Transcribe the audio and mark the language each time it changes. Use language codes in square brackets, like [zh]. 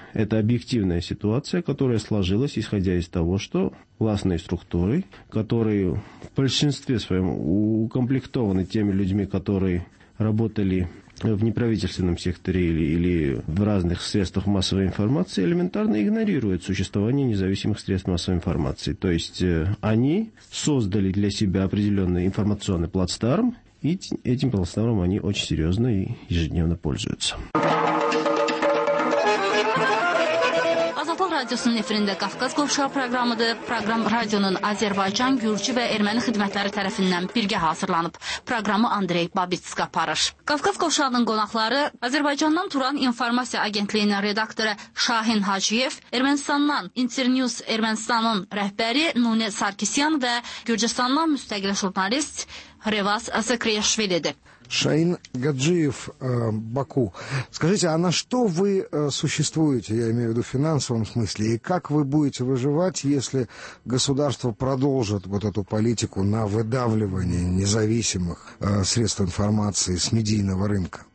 [ru] Это объективная ситуация, которая сложилась, исходя из того, что властные структуры, которые в большинстве своем укомплектованы теми людьми, которые работали в неправительственном секторе или в разных средствах массовой информации, элементарно игнорируют существование независимых средств массовой информации. То есть они создали для себя определенный информационный плацдарм, и этим плацдармом они очень серьезно и ежедневно пользуются. [az] Radiosunun efirində Qafqaz Qovşağı proqramıdır. Proqram radionun Azərbaycan, Gürcü və Erməni xidmətləri tərəfindən birgə hazırlanıb. Proqramı Andrey Babitsk aparır. Qafqaz Qovşağının qonaqları Azərbaycandan Turan İnformasiya Agentliyinin redaktoru Şahin Hacıyev, Ermənistandan Internews Ermənistanın rəhbəri Nune Sarkisyan və Gürcüstandan müstəqil jurnalist Revas Asakriyashvilidir. [ru] Шаин Гаджиев, Баку. Скажите, а на что вы существуете, я имею в виду в финансовом смысле, и как вы будете выживать, если государство продолжит вот эту политику на выдавливание независимых средств информации с медийного рынка?